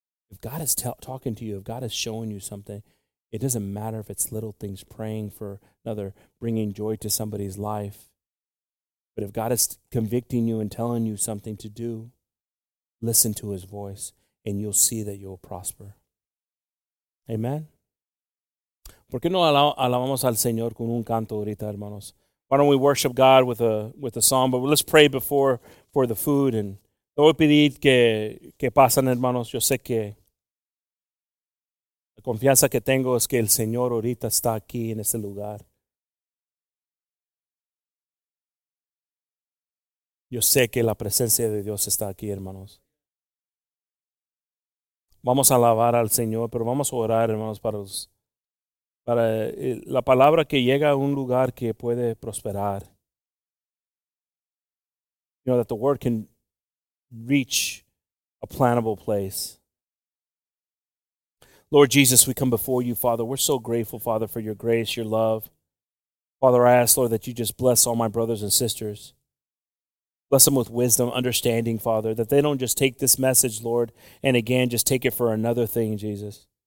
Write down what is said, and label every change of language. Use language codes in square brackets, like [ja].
[en] If God is talking to you, if God is showing you something, it doesn't matter if it's little things, praying for another, bringing joy to somebody's life. But if God is convicting you and telling you something to do, listen to His voice and you'll see that you'll prosper. Amen. [es] ¿Por qué no alabamos al Señor con un canto ahorita, hermanos? [en] Why don't we worship God with a song? But let's pray before for the food. And [es] te voy a pedir que pasen, hermanos. Yo sé que la confianza que tengo es que el Señor ahorita está aquí en este lugar. Yo sé que la presencia de Dios está aquí, hermanos. Vamos a alabar al Señor, pero vamos a orar, hermanos, para la palabra que llega a un lugar que puede prosperar. [en] You know, that the word can reach a plantable place. Lord Jesus, we come before you, Father. We're so grateful, Father, for your grace, your love. Father, I ask, Lord, that you just bless all my brothers and sisters. Bless them with wisdom, understanding, Father, that they don't just take this message, Lord, and again, just take it for another thing, Jesus.